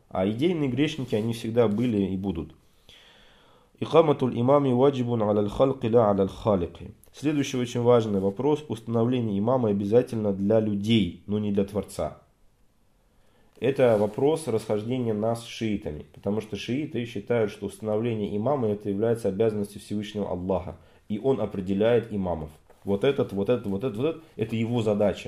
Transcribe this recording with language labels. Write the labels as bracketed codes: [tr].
[ru] А идейные грешники, они всегда были и будут. [ar] إقامة الإمام واجب على الخلق لا على الخالق. [ru] Следующий очень важный вопрос. Установление имама обязательно для людей, но не для Творца. Это вопрос расхождения нас с шиитами. Потому что шииты считают, что установление имама это является обязанностью Всевышнего Аллаха. И он определяет имамов. Вот этот, вот этот, вот этот, вот этот. Это его задача.